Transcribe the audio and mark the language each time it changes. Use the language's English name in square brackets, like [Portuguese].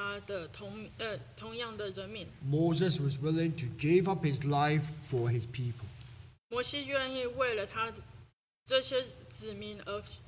[Chinese] 就是因为他爱他的神，也爱他的同样的人民。 [English] Moses was willing to give up his life for his people. [Chinese] 摩西愿意为了他这些子民而